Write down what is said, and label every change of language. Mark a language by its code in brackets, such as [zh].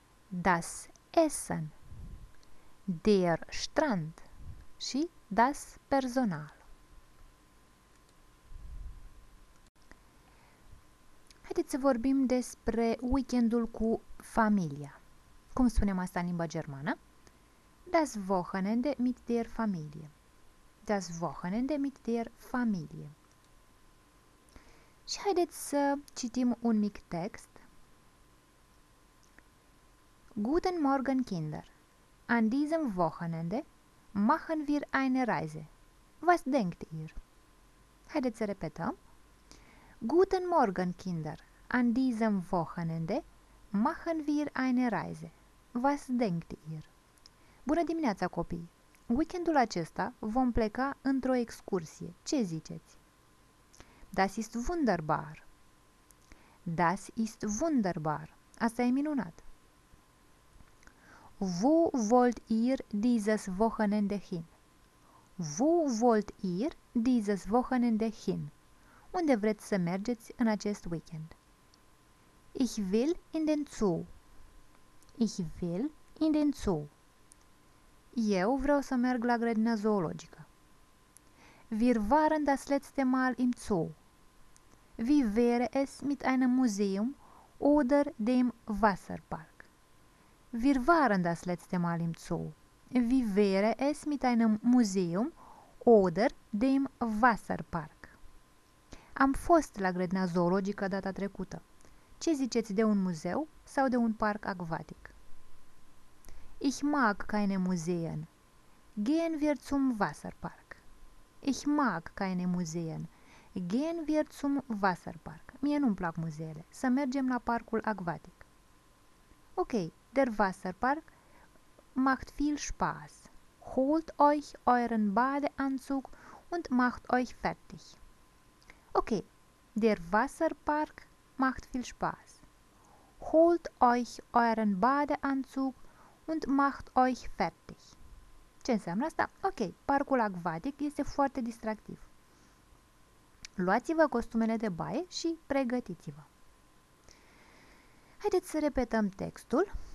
[de] Das Essen. Der Strand. [ro] Și [de] das Personal. [ro] Haideți să vorbim despre weekendul cu familia. Cum spunem asta în limba germană? [de] Das Wochenende mit der Familie. Das Wochenende mit der Familie. [ro] Și haideți să citim un mic text. [de] Guten Morgen, Kinder. An diesem Wochenende machen wir eine Reise. Was denkt ihr? [ro] Haideți să repetăm. [de] Guten Morgen, Kinder. An diesem Wochenende machen wir eine Reise. Was denkt ihr? [ro] Bună dimineața, copii! Weekendul acesta vom pleca într-o excursie. Ce ziceți? [de] Das ist wunderbar. Das ist wunderbar. [ro] Asta e minunat. [de] Wo wollt ihr dieses Wochenende hin? Wo wollt ihr dieses Wochenende hin? [ro] Unde vreți să mergeți în acest weekend? [de] Ich will in den Zoo. Ich will in den Zoo. [ro] Eu vreau să merg la grădina zoologică. [de] Wir waren das letzte Mal im Zoo. Wie wäre es mit einem Museum oder dem Wasserpark? Wir waren das letzte Mal im Zoo. Wie wäre es mit einem Museum oder dem Wasserpark? [ro] Am fost la grădina zoologică data trecută. Ce ziceți de un muzeu sau de un parc acvatic? [de] Ich mag keine Museen. Gehen wir zum Wasserpark. Ich mag keine Museen. Gehen wir zum Wasserpark. [ro] Mie nu-mi plac muzeele. Să mergem la parcul acvatic. [de] Ok, der Wasserpark macht viel Spaß. Holt euch euren Badeanzug und macht euch fertig. Ok, der Wasserpark macht viel Spaß. Holt euch euren Badeanzug und macht euch fertig. [ro] Ce înseamnă asta? Ok, parcul acvatic este foarte distractiv. Luați-vă costumele de baie și pregătiți-vă. Haideți să repetăm textul.